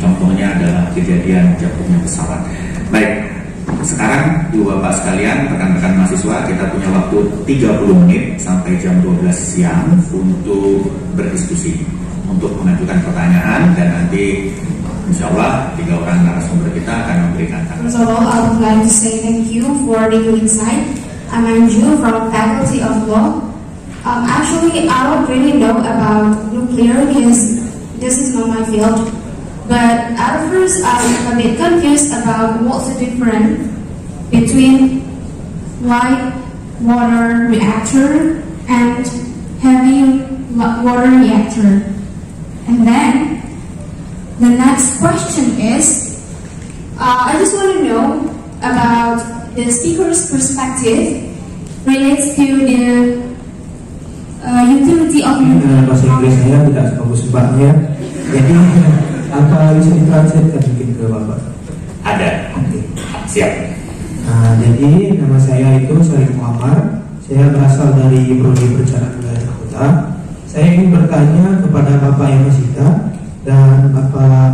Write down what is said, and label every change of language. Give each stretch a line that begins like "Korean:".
Indonesian: Contohnya adalah kejadian jatuhnya pesawat. Baik, sekarang ibu bapak sekalian, rekan-rekan mahasiswa, kita punya waktu 30 menit sampai jam 12 siang untuk berdiskusi, untuk mengajukan pertanyaan, dan nanti insya Allah tiga orang narasumber kita akan memberikan tanggapan.
English: First of all, I would like to say thank you for the insight. I'm Anju from Faculty of Law. Actually, I don't really know about nuclear because this is not my field. But at first, I'm a bit confused about what's the difference between light water reactor and heavy water reactor. And then, the next question is, I just want to know about the speaker's perspective relates to the utility of nuclear.
Indonesian: Dengan bahasa Inggris saya tidak sebagus sebabnya. Jadi, apa bisa ditranslatekan mungkin ke Bapak? Ada. Siap. Nah, jadi nama saya itu Sarif Muhammad. Saya berasal dari Prodi Perencanaan Wilayah Kota. Saya ingin bertanya kepada Bapak Yang Masita dan Bapak